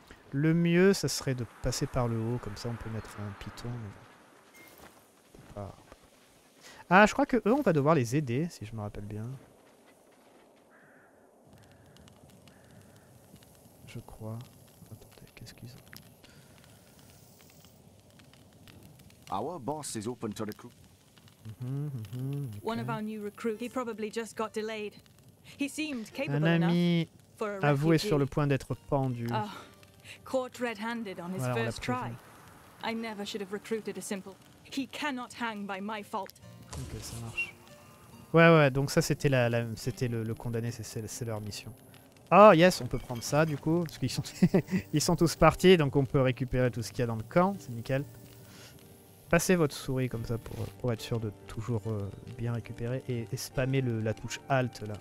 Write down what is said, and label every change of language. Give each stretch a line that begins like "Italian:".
French: Le mieux, ça serait de passer par le haut. Comme ça, on peut mettre un piton. Ah, je crois que eux, on va devoir les aider, si je me rappelle bien. Je crois. Attendez, qu'est-ce qu'ils ont?
English: Our boss is open to recruit. Okay. One of our new recruits. He probably just got delayed. He seemed capable enough.
French: Avoué sur le point d'être pendu.
English: Caught red-handed on his first try. I never should have recruited a simple. He cannot hang by my fault.
French: Ok, ça marche. Ouais. Donc ça, c'était le condamné. C'est leur mission.
English: Oh yes,
French: on peut prendre ça du coup, parce qu'ils sont ils sont tous partis, donc on peut récupérer tout ce qu'il y a dans le camp. C'est nickel. Passez votre souris comme ça pour être sûr de toujours bien récupérer et spammer la touche Alt là.